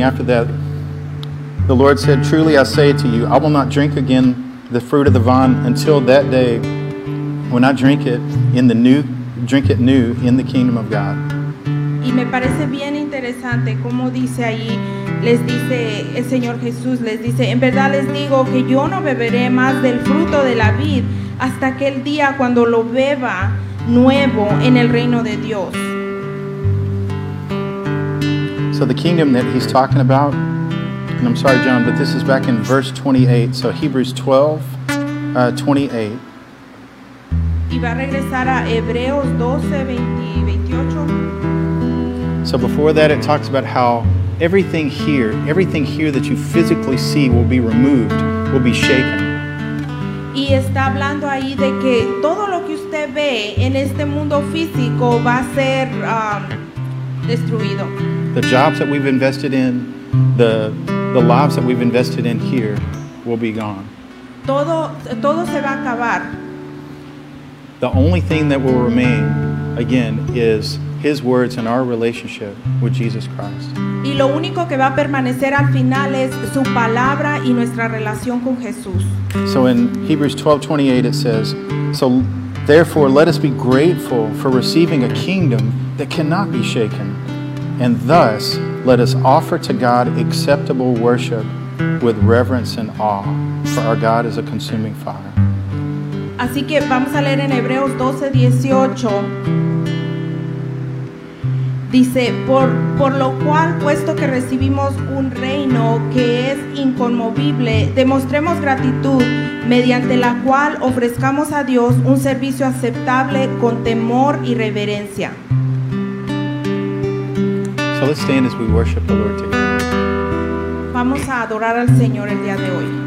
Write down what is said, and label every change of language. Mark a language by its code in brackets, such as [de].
[en] After that, the Lord said, "Truly I say to you, I will not drink again the fruit of the vine until that day when I drink it new in the kingdom of God." [es] Y me parece bien interesante como dice ahí, les dice el Señor Jesús, les dice, en verdad les digo que yo no beberé más del fruto de la vid hasta aquel día cuando lo beba nuevo en el reino de Dios. [en] So the kingdom that he's talking about, and I'm sorry, John, but this is back in verse 28. So Hebrews 12:28. [es] Y va a regresar a Hebreos 12:28. [en] So before that, it talks about how everything here that you physically see will be removed, will be shaken. [es] Y está hablando ahí de que todo lo que usted ve en este mundo físico va a ser destruido. [en] The jobs that we've invested in, the lives that we've invested in here will be gone. [es] Todo se va a acabar. [en] The only thing that will remain, again, is his words and our relationship with Jesus Christ. [es] Y lo único que va a permanecer al final es su palabra y nuestra relación con Jesús. [en] So in Hebrews 12:28 it says, "So therefore let us be grateful for receiving a kingdom that cannot be shaken. And thus, let us offer to God acceptable worship with reverence and awe, for our God is a consuming fire." [es] Así que vamos a leer en Hebreos 12:18. Dice, por lo cual, puesto que recibimos un reino que es inconmovible, demostremos gratitud, mediante la cual ofrezcamos a Dios un servicio aceptable con temor y reverencia. [en] So let's stand as we worship the Lord together. [es] Vamos a adorar al Señor el día de hoy.